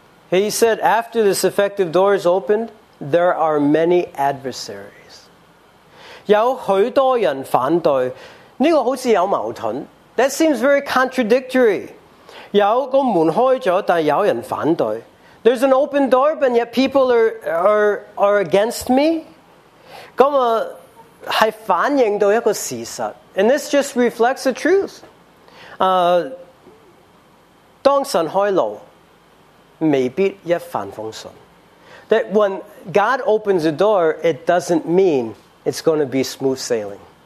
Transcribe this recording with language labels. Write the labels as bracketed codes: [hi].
[en] He said, after this effective door is opened, there are many adversaries. [zh] 有很多人反对, 这个好像有矛盾, [en] that seems very contradictory. [zh] 有个门开了, 但有人反对, [en] there's an open door, but yet people are against me. [zh] 这是反映到一个事实, [en] and this just reflects the truth. [zh] 当神开路,未必一帆风顺。 [en] That when God opens a door, it doesn't mean it's going to be smooth sailing.